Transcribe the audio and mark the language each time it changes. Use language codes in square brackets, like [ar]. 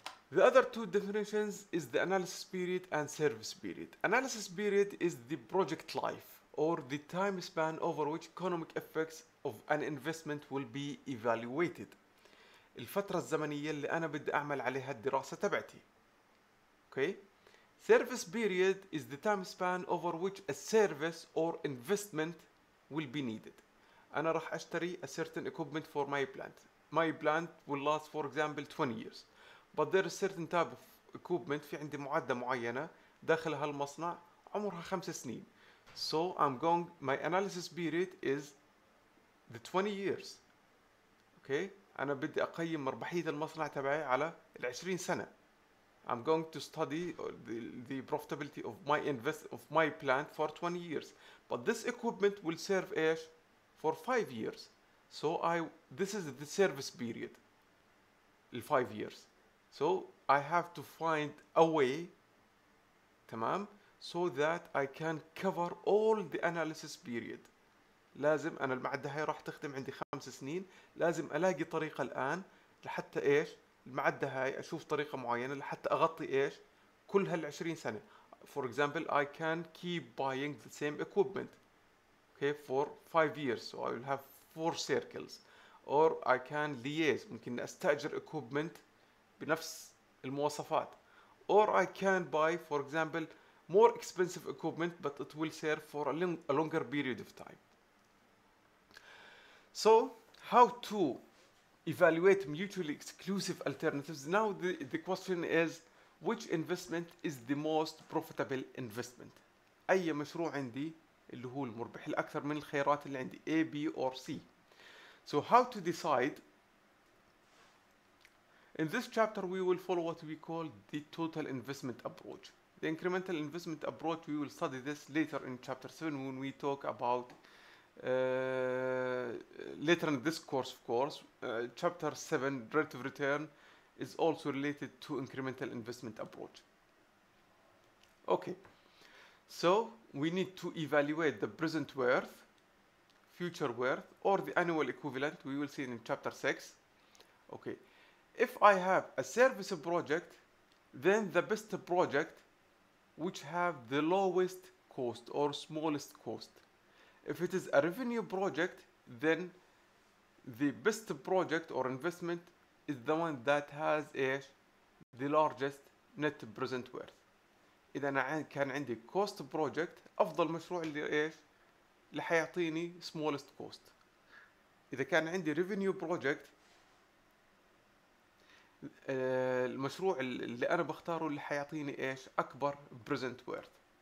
[en] The other two definitions is the analysis period and service period. Analysis period is the project life or the time span over which economic effects of an investment will be evaluated. [ar] الفترة الزمنية اللي أنا بدي أعمل عليها الدراسة تبعتي. Okay. [en] Service period is the time span over which a service or investment will be needed. [ar] أنا راح أشتري [en] a certain equipment for my plant. My plant will last for example 20 years. But there is certain type of equipment [ar] في عندي معدة معينة داخل هالمصنع عمرها 5 سنين. [en] So I'm going, my analysis period is the 20 years. Okay. [ar] أنا بدي أقيم ربحية المصنع تبعي على 20 سنة. [en] I'm going to study the profitability of my invest of my plant for 20 years. But this equipment will serve ash for 5 years. So this is the service period. The 5 years. So I have to find a way, تمام, so that I can cover all the analysis period. [ar] لازم أنا المعدة هاي راح تخدم عندي 5 سنين، لازم ألاقي طريقة الآن لحتى إيش المعدة هاي، أشوف طريقة معينة لحتى أغطي إيش كل هال20 سنة. [en] For example, I can keep buying the same equipment, okay, for 5 years, so I will have 4 circles. Or I can lease, [ar] ممكن أستأجر [en] equipment [ar] بنفس المواصفات. [en] Or I can buy, for example, more expensive equipment, but it will serve for a longer period of time. So, how to evaluate mutually exclusive alternatives? Now, the question is, which investment is the most profitable investment? [ar] أي مشروع عندي اللي هو المربح الأكثر من الخيارات اللي عندي A, B, or C? [en] So, how to decide? In this chapter, we will follow what we call the total investment approach. The incremental investment approach, we will study this later in chapter 7 when we talk about later in this course, of course. Chapter 7, relative return, is also related to incremental investment approach. Okay, so we need to evaluate the present worth, future worth, or the annual equivalent, we will see in chapter 6. Okay, if I have a service project, then the best project which have the lowest cost or smallest cost. If it is a revenue project, then the best project or investment is the one that has the largest net present worth. [ar] إذا أنا كان عندي cost project, أفضل مشروع اللي اللي حيعطيني [en] smallest cost. [ar] إذا كان عندي revenue project, المشروع اللي أنا بختاره اللي حيعطيني أكبر present worth.